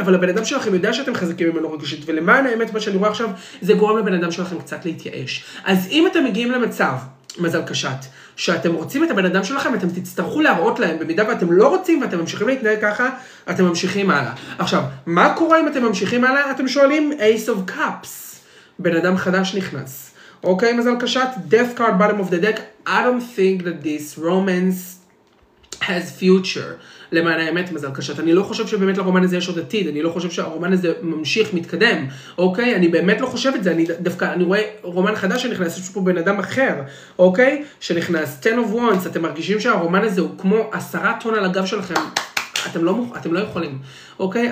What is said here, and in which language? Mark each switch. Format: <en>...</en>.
<he>אבל הבן אדם שלכם יודע שאתם חזקים ממנו רגשית, ולמען האמת, מה שאני רואה עכשיו, זה גורם לבן אדם שלכם קצת להתייאש. אז אם אתם מגיעים למצב, מזל קשת, שאתם רוצים את הבן אדם שלכם, אתם תצטרכו להראות להם, במידה ואתם לא רוצים ואתם ממשיכים להתנהג ככה, אתם ממשיכים הלאה. עכשיו, מה קורה אם אתם ממשיכים הלאה? אתם שואלים, Ace of Cups. בן אדם חדש נכנס. אוקיי, מזל קשת,</he> <en>death card, bottom of the deck, I don't think that this romance has future.</en> <he>למען האמת, מזל קשת, אני לא חושב שבאמת לרומן הזה יש עוד עתיד, אני לא חושב שהרומן הזה ממשיך, מתקדם, אוקיי? אני באמת לא חושב את זה, אני דווקא, אני רואה רומן חדש שנכנס, יש פה בן אדם אחר, אוקיי? שנכנס, 10 of wands, אתם מרגישים שהרומן הזה הוא כמו 10 טון על הגב שלכם, אתם לא יכולים, אוקיי?</he>